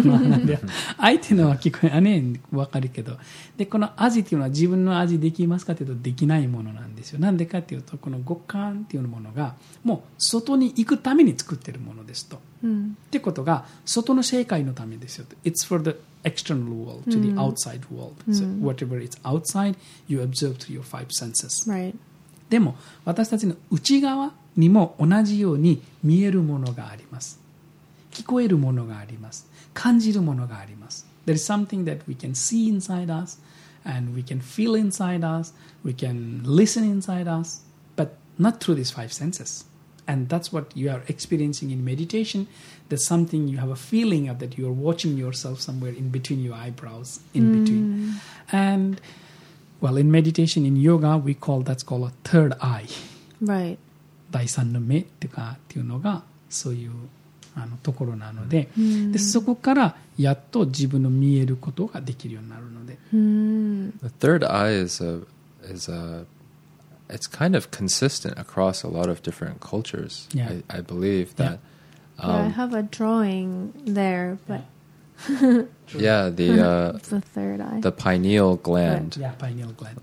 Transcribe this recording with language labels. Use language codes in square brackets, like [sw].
[ja] この鼻で相手のは聞こえないね、分かるけど。でこの味というのは自分の味できますかというとできないものなんですよ。なんでかというとこの五感というものがもう外に行くために作っているものですと、うん、ってことが外の世界のためですよと。 [en] It's for the external world to the outside world、うん、so whatever it's outside you observe through your five senses、 right. [ja] でも私たちの内側にも同じように見えるものがあります、聞こえるものがあります、感じるものがあります。 [en] There is something that we can see inside us and we can feel inside us, we can listen inside us, but not through these five sensesAnd that's what you are experiencing in meditation. There's something you have a feeling of that you are watching yourself somewhere in between your eyebrows, in between. And, well, in meditation, in yoga, we call that's called a third eye. Right. [ja] 第三の目とかっていうのがそういうあのところなので、でそこからやっと自分の見えることができるようになるので。 [en] The third eye is a... It's kind of consistent across a lot of different cultures. Yeah. I believe that. Yeah. Yeah, I have a drawing there, but. Yeah, the. the third eye. The pineal gland. Yeah, pineal gland.